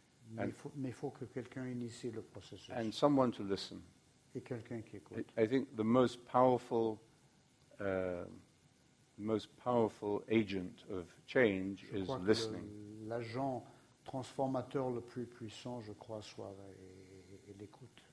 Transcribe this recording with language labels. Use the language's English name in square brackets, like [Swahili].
[French] Mais il faut que quelqu'un initie le processus. [English] And someone to listen. [French] Et quelqu'un qui écoute. [English] I think the most powerful agent of change is listening. [French] L'agent transformateur le plus puissant, je crois, soit et l'écoute.